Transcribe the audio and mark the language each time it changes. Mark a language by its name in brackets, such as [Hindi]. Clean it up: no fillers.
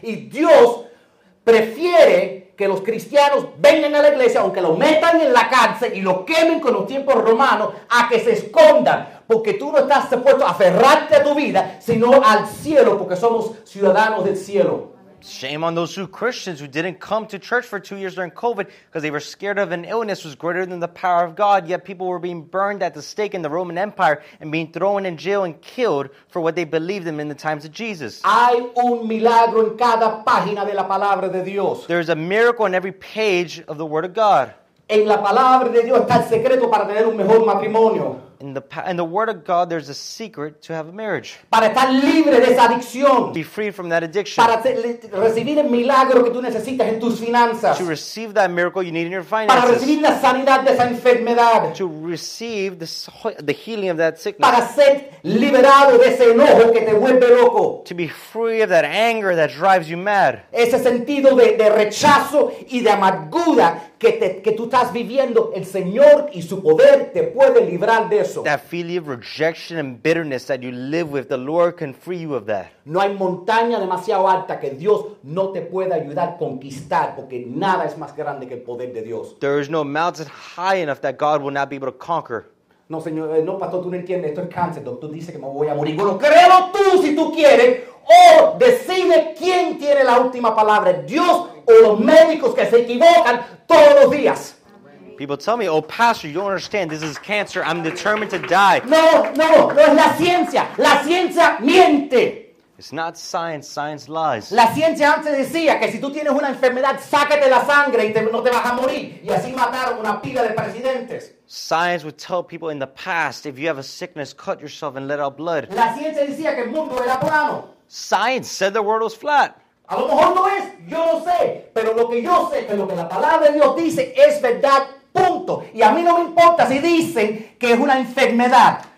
[Spanish] Y Dios prefiere que los cristianos vengan a la iglesia, aunque lo metan en la cárcel y lo quemen con los tiempos romanos, a que se escondan, porque tú no estás supuesto a aferrarte a tu vida, sino al cielo, porque somos ciudadanos del cielo. [English] Shame on those two Christians who didn't come to church for 2 years during COVID because they were scared of an illness was greater than the power of God, yet people were being burned at the stake in the Roman Empire and being thrown in jail and killed for what they believed in the times of Jesus. [Spanish] Hay un milagro en cada página de la palabra de Dios. [English] There's a miracle in every page of the Word of God. [Spanish] En la palabra de Dios está el secreto para tener un mejor matrimonio. [English] In the word of God, there's a secret to have a marriage. [Spanish] Para estar libre de esa adicción. [English] Be free from that addiction. [Spanish] Para recibir el milagro que tú necesitas en tus finanzas. [English] To receive that miracle you need in your finances. [Spanish] Para recibir la sanidad de esa enfermedad. [English] To receive the healing of that sickness. [Spanish] Para ser liberado de ese enojo que te vuelve loco. [English] To be free of that anger that drives you mad. [Spanish] Ese sentido de rechazo y de amargura que tú estás viviendo, el Señor y su poder te puede librar de eso. [English] That feeling of rejection and bitterness that you live with, the Lord can free you of that. [Spanish] No hay montaña demasiado alta que Dios no te pueda ayudar a conquistar, porque nada es más grande que el poder de Dios. [English] There is no mountain high enough that God will not be able to conquer. [Spanish] No, Señor, no, pastor, tú no entiendes, esto es cáncer, doctor dice que me voy a morir. Bueno, créelo tú si tú quieres, o decide quién tiene la última palabra, Dios o los médicos que se equivocan todos los días. [English] People tell me, oh, pastor, you don't understand, this is cancer, I'm determined to die. [Spanish] No, no, no es la ciencia miente. [English] It's not science, science lies. [Spanish] La ciencia antes decía que si tú tienes una enfermedad, sácate la sangre y no te vas a morir. Y así mataron una pila de presidentes. [English] Science would tell people in the past, if you have a sickness, cut yourself and let out blood. [Spanish] La ciencia decía que el mundo era plano. [English] Science said the world was flat. [Spanish] A lo mejor no es, yo lo sé. Pero lo que yo sé, pero lo que la palabra de Dios dice es verdad, punto. Y a mí no me importa si dicen que es una enfermedad.